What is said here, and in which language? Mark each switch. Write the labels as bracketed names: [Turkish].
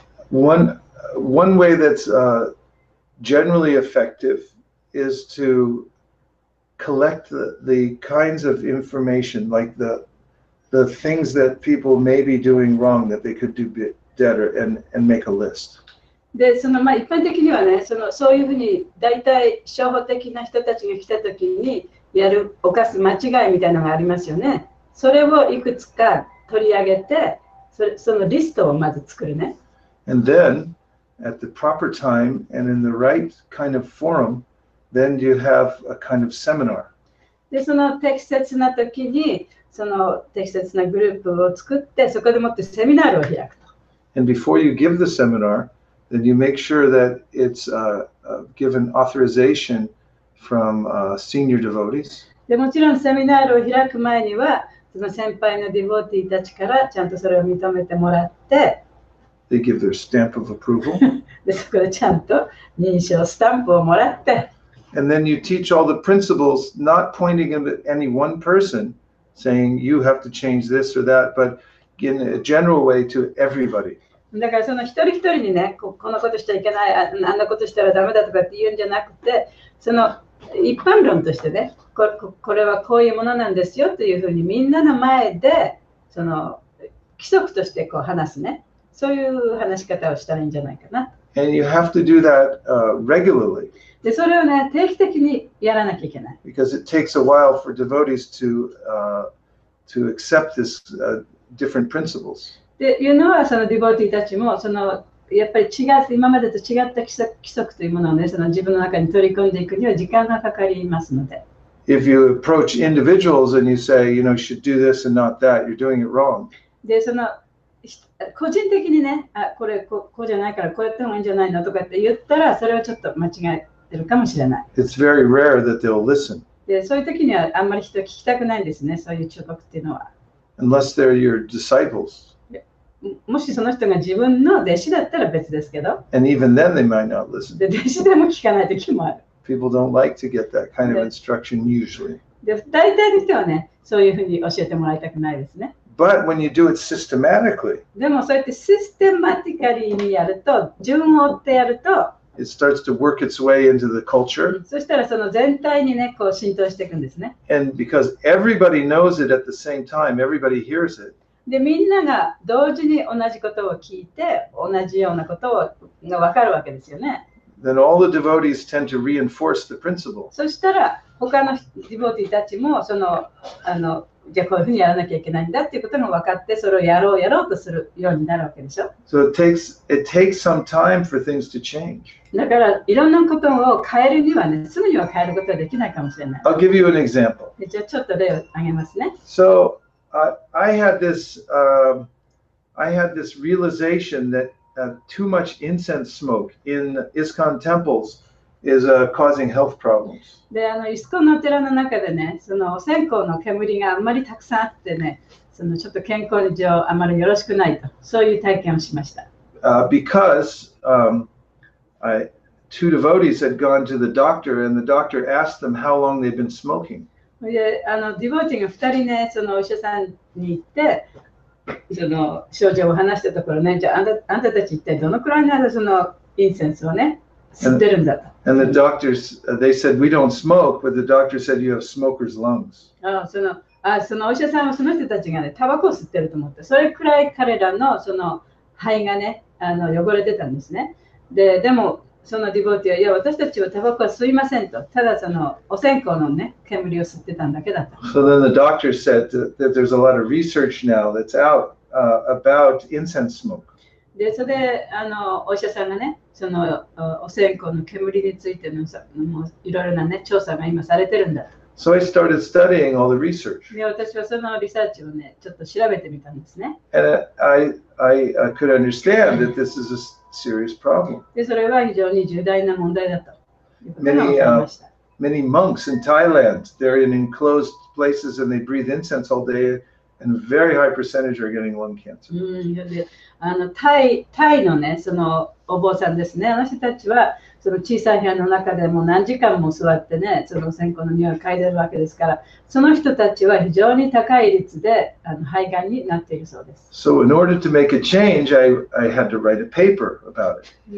[English] One way that's generally effective is to collect the kinds of information, like the the things that people may be doing wrong that they could do better and make a list. [Japanese] で、そのまあ一般的にはね、そのそういうふうに大体初歩的な人たちが来た時にやる犯す間違いみたいなのがありますよね。それをいくつか取り上げて、そのリストをまず作るね。 [English] And then, at the proper time and in the right kind of forum, then you have a kind of seminar. [Japanese] で、その適切な時に、その適切なグループを作って、そこでもってセミナールを開くと。 [English] And before you give the seminar,Then you make sure that it's given authorization from senior devotees. [Japanese] でもちろんセミナールを開く前にはその先輩のディボーティーたちからちゃんとそれを認めてもらって。 [English] They give their stamp of approval. [Japanese] でそこでちゃんと認証スタンプをもらって。 [English] And then you teach all the principles, not pointing them at any one person, saying you have to change this or that, but in a general way to everybody. [Japanese] だからその一人一人にね、このことしちゃいけない、あんなことしたらダメだとかって言うんじゃなくて、その一般論としてね、これはこういうものなんですよというふうにみんなの前でその規則としてこう話すね、そういう話し方をしたらいいんじゃないかな。 [English] And you have to do that, regularly. [Japanese] で、それをね、定期的にやらなきゃいけない。 [English] Because it takes a while for devotees to, to accept this, different principles. [Japanese] っていうのはそのディボーティーたちもそのやっぱり違って今までと違った規則というものをねその自分の中に取り込んでいくには時間がかかりますので。 [English] If you approach individuals and you say, you know, you should do this and not that, you're doing it wrong. [Japanese] でその個人的にね、あこれこうじゃないからこうやってもいいんじゃないのとかって言ったらそれはちょっと間違ってるかもしれない。 [English] It's very rare that they'll listen. [Japanese] でそういう時にはあんまり人は聞きたくないんですね、そういう忠告っていうのは。 [English] Unless they're your disciples. [Japanese] もしその人が自分の弟子だったら別ですけど。 [English] And even then they might not listen. [Japanese] で弟子でも聞かない時もある。 [English] People don't like to get that kind of instruction usually. [Japanese] で大体の人はね、そういうふうに教えてもらいたくないですね。 [English] But when you do it systematically, [Japanese] でもそうやってシステマティカリーにやると、順を追ってやると、 [English] it starts to work its way into the culture. [Japanese] そしたらその全体にね、こう浸透していくんですね。 [English] And because everybody knows it at the same time, everybody hears it. [Japanese] でみんなが同時に同じことを聞いて同じようなことをが分かるわけですよね。 [English] Then all the devotees tend to reinforce the principle. [Japanese] そしたら他のディボーティーたちもそのあのじゃあこういうふうにやらなきゃいけないんだっていうことが分かってそれをやろうとするようになるわけでしょ。 [English] So it takes some time for things to change. [Japanese] だからいろんなことを変えるにはねすぐには変えることはできないかもしれない。 [English] I'll give you an example. [Japanese] じゃあちょっと例を挙げますね。 [English] So,I had this realization that too much incense smoke in ISKCON temples is causing health problems. [Japanese] で、あの、イスコンの寺の中でね、そのお線香の煙があんまりたくさんあってね、そのちょっと健康上あまりよろしくないと、そういう体験をしました。 [English] Because two devotees had gone to the doctor and the doctor asked them how long they'd been smoking. [Japanese] であのディボーティーが2人ね、そのお医者さんに行って、その症状を話したところね、じゃあ、あんたたち一体どのくらいのそのインセンスをね、吸ってるんだと。 [English] And the doctors, they said, we don't smoke, but the doctor said, you have smoker's lungs. [Japanese] そのお医者さんはその人たちがね、タバコを吸ってると思って、それくらい彼らのその肺がね、あの汚れてたんですね。でもそのディボーティーは、いや、私たちはタバコは吸いませんと。ただそのお線香のね、煙を吸ってたんだけだと。 [English] So then the doctor said that there's a lot of research now that's out, about incense smoke. [Japanese] で、それで、あの、お医者さんがね、そのお線香の煙についてのさ、もういろいろなね、調査が今されてるんだと。 [English] So I started studying all the research. [Japanese] で、私はそのリサーチをね、ちょっと調べてみたんですね。 [English] And I could understand that this is a... serious problem. [Japanese] でそれは非常に重大な問題だと。 [English] Many monks in Thailand, they're in enclosed places and they breathe incense all day, and a very high percentage are getting lung cancer. [Japanese] あのタイのね、そのお坊さんですね。あの人たちはその小さい部屋の中でも何時間も座ってね、その線香の匂いを嗅いでるわけですから、その人たちは非常に高い率で肺がんになっているそうです。 [English] So in order to make a change, I had to write a paper about it.